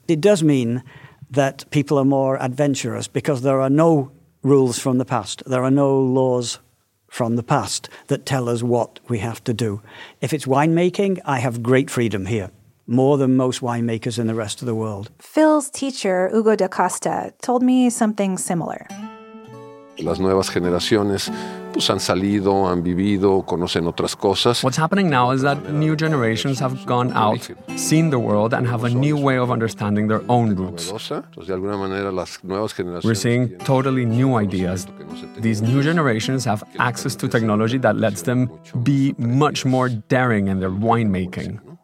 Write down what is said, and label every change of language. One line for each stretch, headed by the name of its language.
English: It does mean that people are more adventurous because there are no rules from the past. There are no laws from the past that tell us what we have to do. If it's winemaking, I have great freedom here, more than most winemakers in the rest of the world. Phil's teacher, Hugo da Costa, told me something similar.
Spanish: Las nuevas generaciones pues han salido, han vivido, conocen otras cosas.
English: What's happening now is that new generations have gone out, seen the world, and have a new way of understanding their own roots. We're seeing totally new ideas. These new generations have access to technology that lets them be much more daring in their winemaking.